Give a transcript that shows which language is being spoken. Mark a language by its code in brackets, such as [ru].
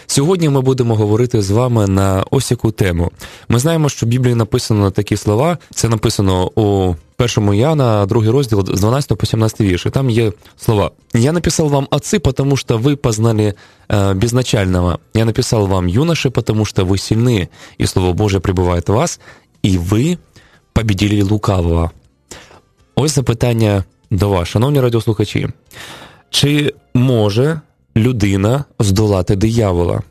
[uk] Сьогодні ми будемо говорити з вами на ось яку тему. Ми знаємо, що в Біблії написано такі слова. Це написано у 1 Іоанна, 2 розділ, з 12 по 17 вірші. Там є слова. «Я написав вам отці, [ru] потому что вы познали безначального. [uk] Я написав вам юноши, [ru] потому что вы сильны, и Слово Божие прибывает в вас, и вы победили лукавого». [uk] Ось запитання до вас, шановні радіослухачі. Чи може людина здолати диявола?